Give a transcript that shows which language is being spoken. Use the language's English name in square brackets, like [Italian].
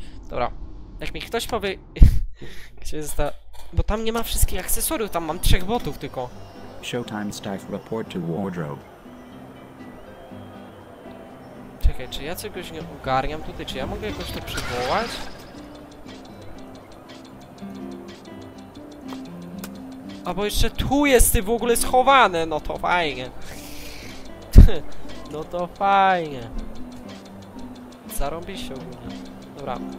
[Polish] Dobra. Jak mi ktoś powie, gdzie jest ta... Bo tam nie ma wszystkich akcesoriów, tam mam trzech botów tylko. [English] Showtime staff report to wardrobe. [Polish] Czekaj, czy ja czegoś nie ogarniam tutaj? Czy ja mogę jakoś to przywołać? A bo jeszcze tu jest ty w ogóle schowany, no to fajnie. No to fajnie. Zarąbi się ogólnie. Dobra.